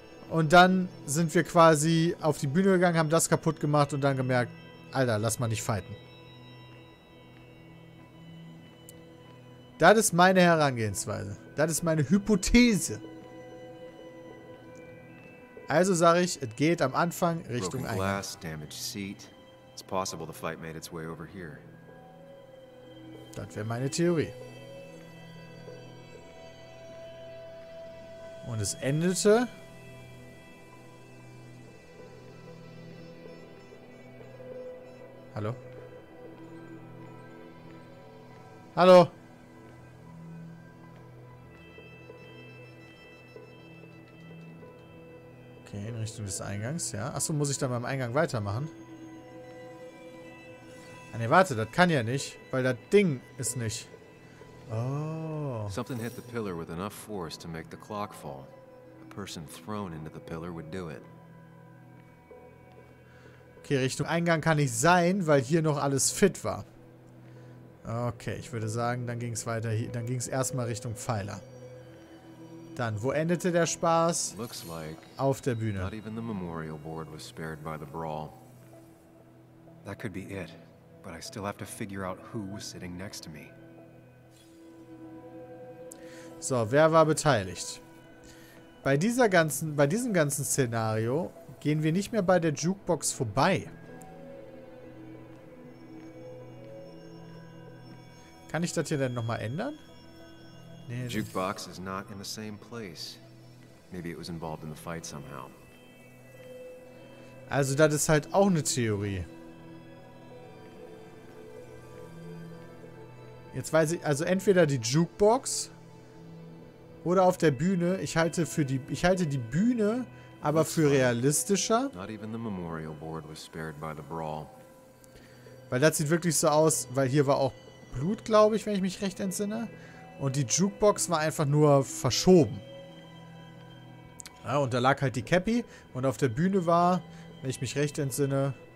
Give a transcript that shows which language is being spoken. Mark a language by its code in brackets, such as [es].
[de] Und dann sind wir quasi auf die Bühne gegangen, haben das kaputt gemacht und dann gemerkt, Alter, lass mal nicht fighten. Das ist meine Herangehensweise. Das ist meine Hypothese. Also sage ich, es geht am Anfang Richtung Eingang. [en] Broken glass, damaged seat. It's possible the fight made its way over here. [de] Das wäre meine Theorie. Und es endete. Hallo? Hallo? Okay, in Richtung des Eingangs, ja. Achso, muss ich dann beim Eingang weitermachen? Ne, warte, das kann ja nicht, weil das Ding ist nicht. Oh. [en] Something hit the pillar with enough force to make the clock fall. A person thrown into the pillar would do it. [de] Okay, Richtung Eingang kann nicht sein, weil hier noch alles fit war. Okay, ich würde sagen, dann ging es weiter hier. Dann ging es erstmal Richtung Pfeiler. Dann, wo endete der Spaß? [en] Looks like [de] auf der Bühne. [en] Not even the memorial board was spared by the brawl. That could be it. But I still have to figure out who was sitting next to me. [de] So, wer war beteiligt? Bei diesem ganzen Szenario gehen wir nicht mehr bei der Jukebox vorbei. Kann ich das hier denn nochmal ändern? [en] Nee, Jukebox is not in the same place. Maybe it was involved in the fight somehow. [de] Also, das ist halt auch eine Theorie. Jetzt weiß ich, also entweder die Jukebox oder auf der Bühne. Ich halte die Bühne aber für realistischer. [en] Not even the memorial board was spared by the brawl. [de] Weil das sieht wirklich so aus, weil hier war auch Blut, glaube ich, wenn ich mich recht entsinne. Und die Jukebox war einfach nur verschoben. Ja, und da lag halt die Cappy. Und auf der Bühne war, wenn ich mich recht entsinne.